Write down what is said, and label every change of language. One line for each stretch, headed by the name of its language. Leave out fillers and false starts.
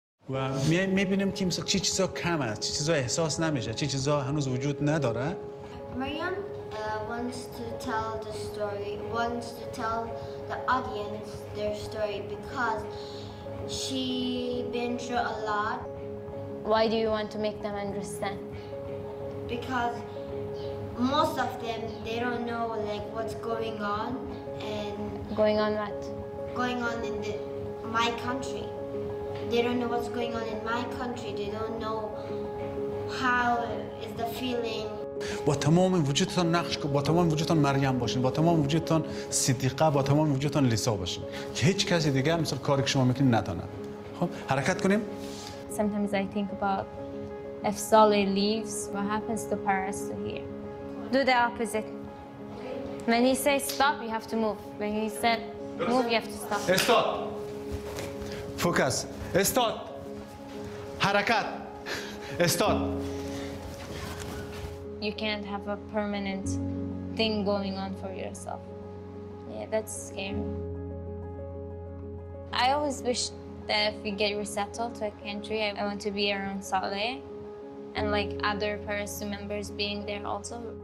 Persian: و میبینیم که مثلا چی چیزا کم است، چی چیزا احساس نمیشه، چی چیزا هنوز وجود نداره.
English: Maryam wants to tell the story, wants to tell the audience their story because she been through a lot. Why do you want to make them understand? Because most of them, they don't know like what's going on and going on what? Going on in the my country. They don't know what's going on in my country. They don't know how is the feeling.
Persian: با تمام وجودتان نقش کن، با تمام وجودتان مریم باشین، با تمام وجودتان صدیقه، با تمام وجودتان لیسا باشین که هیچ کسی دیگه مثل کاری که شما میکنین نداند. خب حرکت کنیم.
English: Sometimes I think about if Sally leaves, what happens to Parastoo here? Do the opposite. When he says stop, you have to move. When he said move, you have to stop.
Persian: استاد فوکس، استاد حرکت، استاد.
English: You can't have a permanent thing going on for yourself. Yeah, that's scary. I always wish that if we get resettled to a country, I want to be around Saleh and like other Parastoo members being there also.